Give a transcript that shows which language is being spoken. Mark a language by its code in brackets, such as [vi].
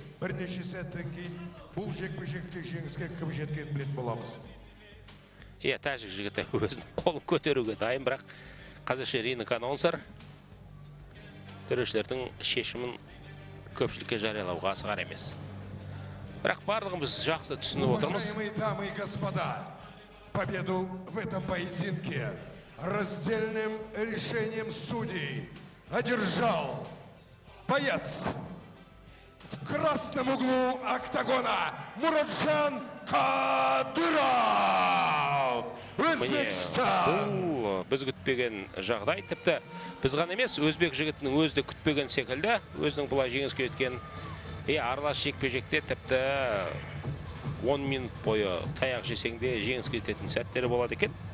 [kk] Бірнеше сәттен кейін бұл жекпе-жекте жеңіске кім жеткен білет боламыз. Е, тәжік жігіті өзінің қолын көтеруге дайын, бірақ қазірше рингтік анонсер төрешілердің шешімін көпшілікке жариялауға асығар емес. Бірақ барлығымыз жақсы түсініп отырмыз. [ru] Уважаемые дамы и господа, победу в этом поединке раздельным решением судей одержал боец в красном углу октагона Муратжан Кадыров. [kk] Біз күтпеген жағдай, тіпті біз ғана емес, өзбек жігітінің өзі күтпеген секілді, өзінің бұлай жеңіске жеткен аралас жекпе-жекте тіпті 10 минут бойы таяқ жесеңде жеңіске жететін сәттері болады екен.